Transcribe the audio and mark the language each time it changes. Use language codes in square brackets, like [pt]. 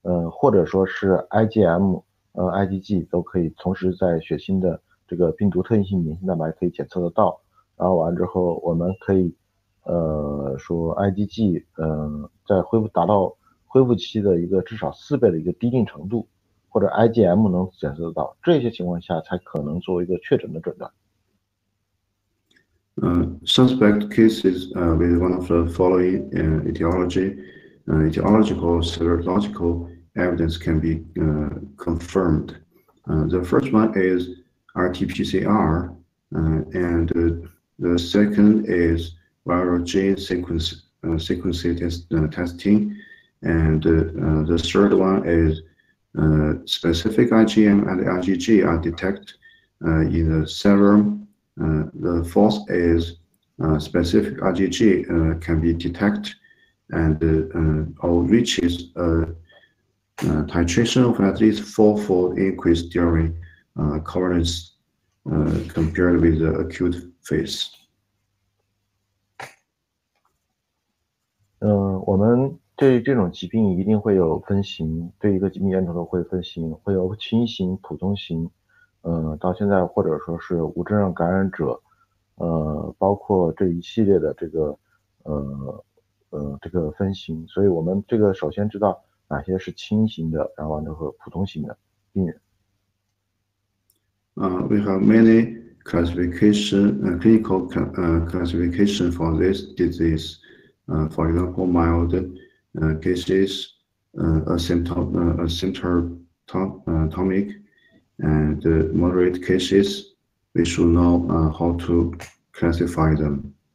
[zh] 或者说是 IgM、IgG 都可以同时在血清的这个病毒特异性免疫蛋白可以检测得到，然后完之后我们可以说 IgG 在恢复达到恢复期的一个至少四倍的一个低定程度，或者 IgM 能检测得到，这些情况下才可能作为一个确诊的诊断。 [en] Suspect cases with one of the following etiological serological evidence can be confirmed. The first one is RT-PCR, and the second is viral gene sequence testing, and the third one is specific IgM and IgG are detected in the serum. The fourth is specific IgG can be detected and or reaches a titration of at least fourfold increase during coverage compared with the acute phase. [zh] 我们对这种疾病一定会有分型，对一个疾病源头的会分型，会有轻型、普通型。到现在或者说是无症状感染者，包括这一系列的这个分型，所以我们这个首先知道哪些是轻型的，然后完之后普通型的病人。 [en] We have many clinical classification for this disease. For example, mild cases, asymptomatic. And the moderate cases, we should know how to classify them.